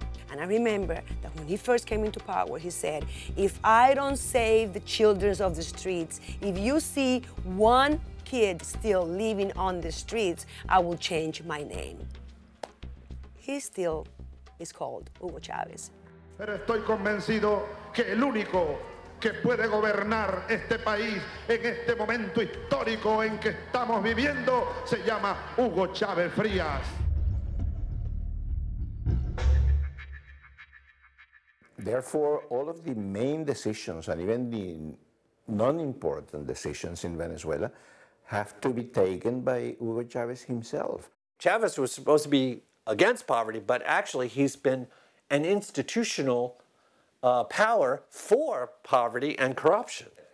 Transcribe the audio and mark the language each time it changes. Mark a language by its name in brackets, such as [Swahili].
[English] And I remember that when he first came into power, he said, if I don't save the children of the streets, if you see one kid still living on the streets, I will change my name. He still is called Hugo Chavez. [Spanish] Pero estoy convencido que el único que puede gobernar este país en este momento histórico en que estamos viviendo se llama Hugo Chavez Frías. [English] Therefore, all of the main decisions and even the non-important decisions in Venezuela have to be taken by Hugo Chavez himself. Chavez was supposed to be against poverty, but actually he's been an institutional power for poverty and corruption.